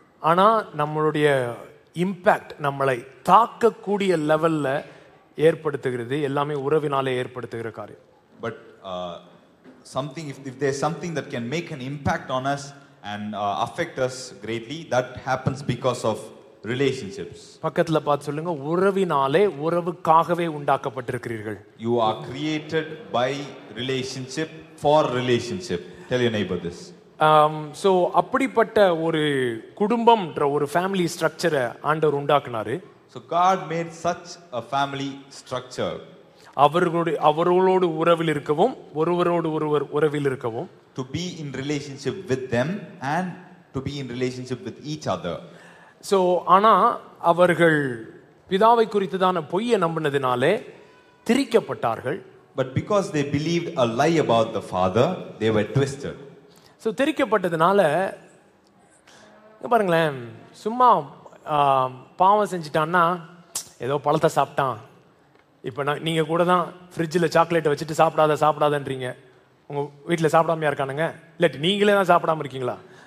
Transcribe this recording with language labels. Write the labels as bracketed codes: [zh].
[ta] ஆனா நம்மளுடைய இம்பாக்ட், நம்மளை தாக்கக்கூடிய லெவல்ல ஏற்படுத்துகிறது எல்லாமே உறவினாலே ஏற்படுத்துகிற காரியம். [en] But something, if there's something that can make an impact on us and affect us greatly, that happens because of relationships. [ta] பக்கத்துல பார்த்து சொல்லுங்க, உறவினாலே உறவுக்காகவே உண்டாக்கப்பட்டிருக்கிறீர்கள். [en] You are created by relationship for relationship. Tell your neighbor this. [ta] So அப்படிப்பட்ட ஒரு குடும்பம்ன்ற ஒரு family ஸ்ட்ரக்சரை ஆண்டவர் உண்டாக்குனாரு. [en] So God made such a family structure. [ta] அவர்களுடைய அவர்களோடு உறவில் இருக்கவும், ஒருவரோடு ஒருவர் உறவில் இருக்கவும், [en] to be in relationship with them and to be in relationship with each other. [ta] So ஆனா அவர்கள் பிதாவை குறித்து தான பொய்யை நம்பினதினாலே திரிக்கப்பட்டார்கள். [en] But because they believed a lie about the father, they were twisted. [ta] So திரிக்கப்பட்டதனால பாருங்களேன், சும்மா பாவம் செஞ்சிட்டான்னா ஏதோ பழத்தை சாப்பிட்டான். இப்போ நான் நீங்கள் கூட தான் ஃப்ரிட்ஜில் சாக்லேட்டை வச்சுட்டு சாப்பிடாத சாப்பிடாதன்றீங்க, உங்கள் வீட்டில் சாப்பிடாமையா இருக்கானுங்க, இல்லாட்டி நீங்களே தான் சாப்பிடாமல் இருக்கீங்களா?